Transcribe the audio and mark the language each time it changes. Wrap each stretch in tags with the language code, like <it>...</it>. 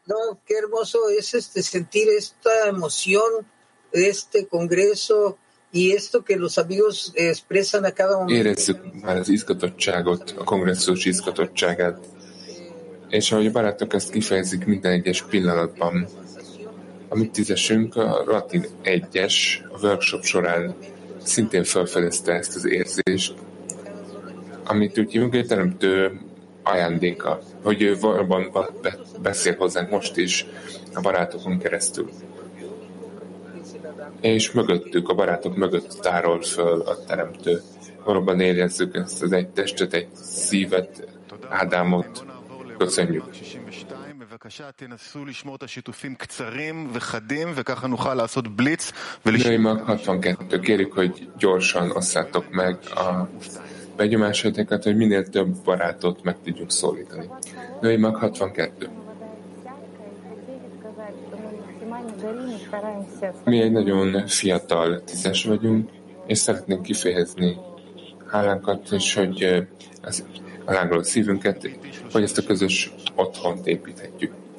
<es>No, qué hermoso es este sentir esta emoción de este congreso y esto que los amigos expresan a cada momento.</es> <hu>Érezzük már az izgatottságot, a kongresszus izgatottságát. És ahogy a barátok ezt kifejezik minden egyes pillanatban. Amit tízesünk, a Latin 1-es a workshop során szintén felfedezte ezt az érzést, amit úgy hívunk, hogy a teremtő ajándéka, hogy ő valóban beszél hozzánk most is a barátokon keresztül. És mögöttük, a barátok mögött tárol föl a teremtő. Valóban érezzük ezt az egy testet, egy szívet, Ádámot. Köszönjük.</hu> <he>בבקשה, תנסו לשמור את השיתופים קצרים וחדים, וככה נוכל לעשות בליץ.</he> <hu>נוי מק 62, kérjük, hogy gyorsan osszátok meg a begyomásaitokat, hogy minél több barátot meg tudjuk szólítani. Nöi Mak 62. Mi egy nagyon fiatal tízes vagyunk, és szeretnénk kifejezni hálánkat, és hogy az a lángoló szívünket, hogy ezt a közös otthont építhetjük.</hu>